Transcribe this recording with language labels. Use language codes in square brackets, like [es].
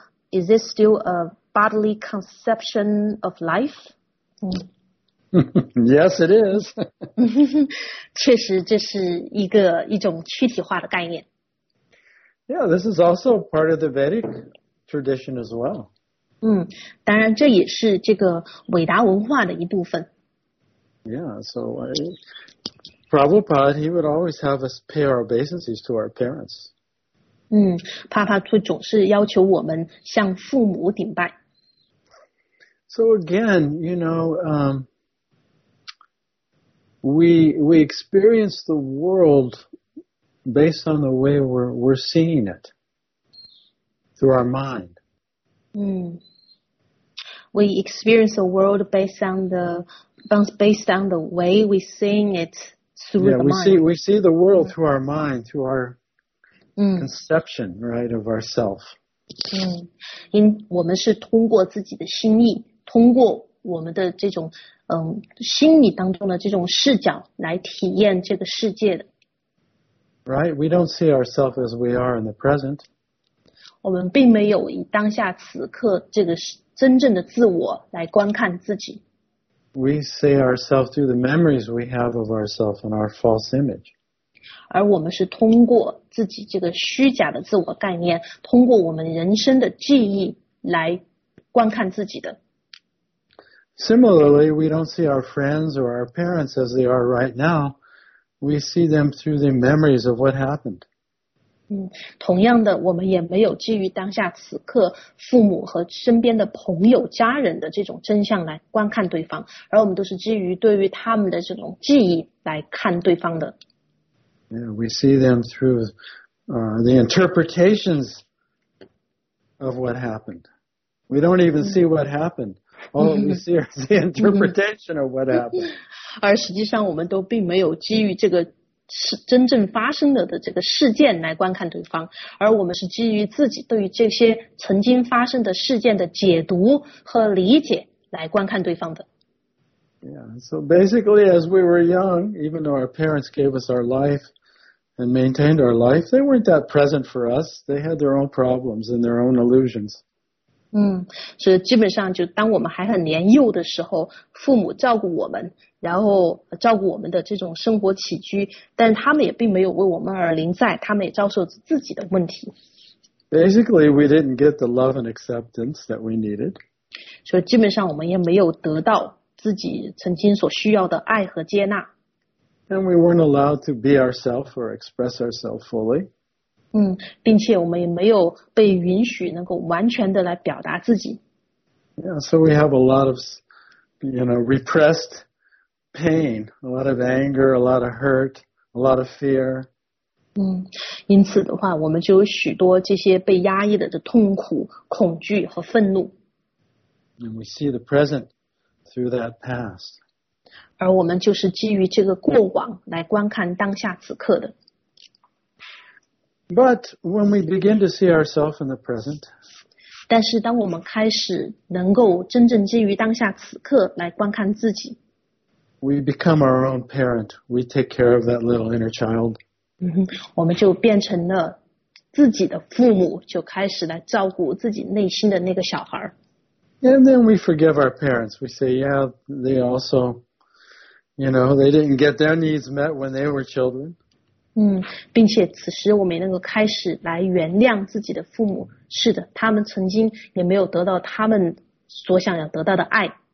[en] Is this still a bodily conception of life? Yes, it is. [zh] 确实这是一种躯体化的概念。 [en] Yeah, this is also part of the Vedic tradition as well. [zh] 当然这也是这个伟达文化的一部分。 [en] Yeah, so Prabhupada, he would always have us pay our obeisances to our parents. [zh] 帕帕兔总是要求我们向父母顶拜。 [en] So again, you know, We experience the world based on the way we're seeing it through our mind. We experience the world based on the based on the way we seeing it through the mind. Yeah, we see the world through our mind, through our conception, right, of ourself. [zh] 因我们是通过自己的心意，通过我们的这种心理当中的这种视角来体验这个世界的。 [en] Right, we don't see ourselves as we are in the present. [zh] 我们并没有以当下此刻这个真正的自我来观看自己。 [en] We see ourselves through the memories we have of ourselves and our false image. [zh] 而我们是通过自己这个虚假的自我概念，通过我们人生的记忆来观看自己的。 [en] Similarly, we don't see our friends or our parents as they are right now. We see them through the memories of what happened. [zh] 同样的，我们也没有基于当下此刻父母和身边的朋友、家人的这种真相来观看对方，而我们都是基于对于他们的这种记忆来看对方的。 [en] Yeah, we see them through the interpretations of what happened. We don't even see what happened. All we see is the interpretation of what happened. [zh] 而实际上我们都并没有基于这个真正发生的这个事件来观看对方，而我们是基于自己对于这些曾经发生的事件的解读和理解来观看对方的。 [en] Yeah, so basically as we were young, even though our parents gave us our life and maintained our life, they weren't that present for us. They had their own problems and their own illusions. [zh] 所以基本上就当我们还很年幼的时候，父母照顾我们，然后照顾我们的这种生活起居，但他们也并没有为我们而临在，他们也遭受自己的问题。 [en] Basically, we didn't get the love and acceptance that we needed. [zh] 所以基本上我们也没有得到自己曾经所需要的爱和接纳。 [en] And we weren't allowed to be ourselves or express ourselves fully. [zh] 并且我们也没有被允许能够完全的来表达自己。 [en] Yeah, so we have a lot of, you know, repressed pain, a lot of anger, a lot of hurt, a lot of fear. [zh] 因此的话，我们就有许多这些被压抑的痛苦、恐惧和愤怒。 [en] And we see the present through that past. [zh] 而我们就是基于这个过往来观看当下此刻的。 [en] But when we begin to see ourselves in the present, [zh] 但是当我们开始能够真正基于当下此刻来观看自己， [en] we become our own parent. We take care of that little inner child. [zh] 我们就变成了自己的父母，就开始来照顾自己内心的那个小孩。 [en] And then we forgive our parents. We say, yeah, they also, you know, they didn't get their needs met when they were children. [zh] 并且此时我们也能够开始来原谅自己的父母。是的，他们曾经也没有得到他们所想要得到的爱。